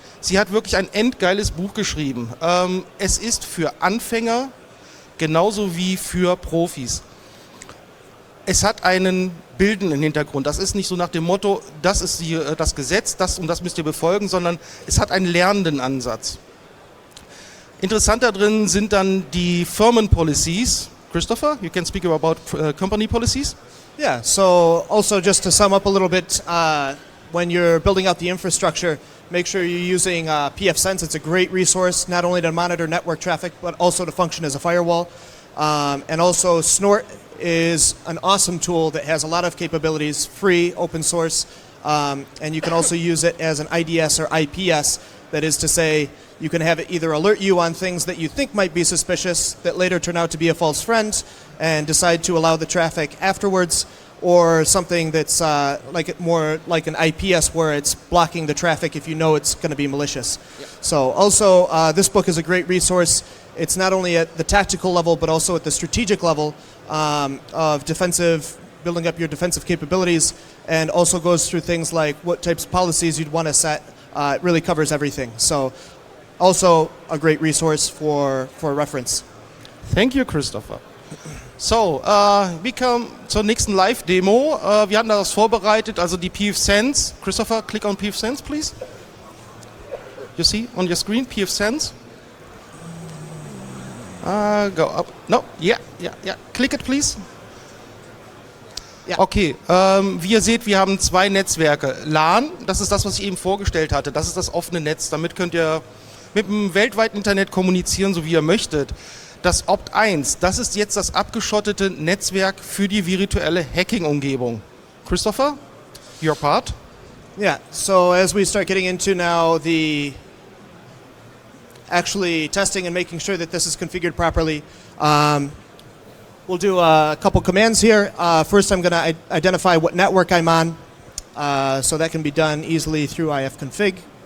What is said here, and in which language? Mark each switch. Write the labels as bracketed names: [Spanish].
[German] Sie hat wirklich ein endgeiles Buch geschrieben. Es ist für Anfänger genauso wie für Profis. Es hat einen Bilden im Hintergrund. Das ist nicht so nach dem Motto, das ist das Gesetz, das und das müsst ihr befolgen, sondern es hat einen lernenden Ansatz. Interessanter drin sind dann die Firmenpolicies. [English] Christopher, you can speak about company policies. Yeah, so also just to sum up a little bit, when you're building out the infrastructure, make sure you're using PFSense. It's a great resource, not only to monitor network traffic, but also to function as a firewall. And also Snort is an awesome tool that has a lot of capabilities, free, open source, and you can also use it as an IDS or IPS, that is to say, you can have it either alert you on things that you think might be suspicious that later turn out to be a false friend and decide to allow the traffic afterwards, or something that's like more like an IPS where it's blocking the traffic if you know it's going to be malicious. Yep. So also, this book is a great resource. It's not only at the tactical level, but also at the strategic level of defensive, building up your defensive capabilities, and also goes through things like what types of policies you'd want to set. It really covers everything. So also a great resource for reference. Thank you, Christopher. [German] So, wir kommen zur nächsten Live-Demo. Wir hatten das vorbereitet, also die PFSense. [English] Christopher, click on PFSense, please. You see on your screen, PFSense. Go up. No, yeah. Click it, please. Ja. [German] Okay, wie ihr seht, wir haben zwei Netzwerke. LAN, das ist das, was ich eben vorgestellt hatte. Das ist das offene Netz. Damit könnt ihr mit dem weltweiten Internet kommunizieren, so wie ihr möchtet. Das Opt-1, das ist jetzt das abgeschottete Netzwerk für die virtuelle Hacking-Umgebung. [English] Christopher, your part. Yeah, so as we start getting into now the actually testing and making sure that this is configured properly, we'll do a couple commands here. First, I'm going to identify what network I'm on, so that can be done easily through ifconfig.